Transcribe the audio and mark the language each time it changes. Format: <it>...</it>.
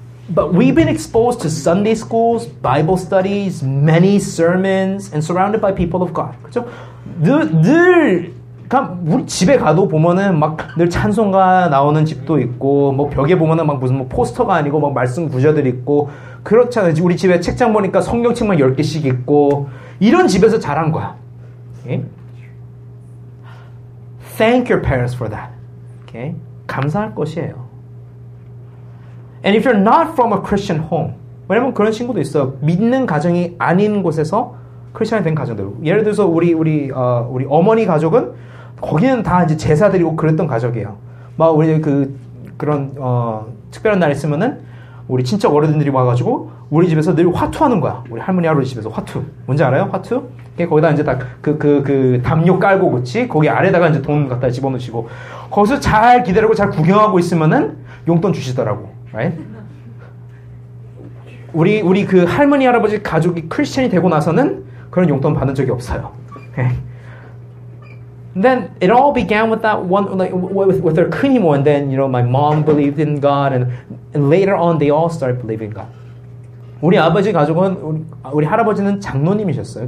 <en>But we've been exposed to Sunday schools, Bible studies, many sermons, and surrounded by people of God.</en> <ko>그렇죠? 늘 우리 집에 가도 보면은 막 늘 찬송가 나오는 집도 있고 뭐 벽에 보면은 막 무슨 뭐 포스터가 아니고 막 말씀 구절들 있고 그렇잖아요. 우리 집에 책장 보니까 성경책만 10개씩 있고 이런 집에서 자란 거야.</ko> <en>Okay? Thank your parents for that. Okay?</en> <ko>감사할 것이에요.</ko> <en>And if you're not from a Christian home,</en> <ko>왜냐면 그런 친구도 있어. 믿는 가정이 아닌 곳에서 크리스천이 된 가정들. 예를 들어서 우리 어머니 가족은 거기는 다 이제 제사 드리고 그랬던 가족이에요. 막 우리 그런 특별한 날 있으면은 우리 친척 어르신들이 와가지고 우리 집에서 늘 화투하는 거야. 우리 할머니 할아버지 집에서 화투. 뭔지 알아요? 화투? 거기다 이제 다 그 담요 깔고 그치? 거기 아래다가 이제 돈 갖다 집어넣으시고 거기서 잘 기다리고 잘 구경하고 있으면은 용돈 주시더라고.</ko> <en>Right?</en> <ko>우리 그 할머니 할아버지 가족이 크리스천이 되고 나서는 그런 용돈 받은 적이 없어요.</ko> <en>And then it all began with that one, like with their 큰이모. And then, you know, my mom believed in God, and later on, they all started believing God.</en> <ko>우리 아버지 가족은 우리 할아버지는 장로님이셨어요.</ko>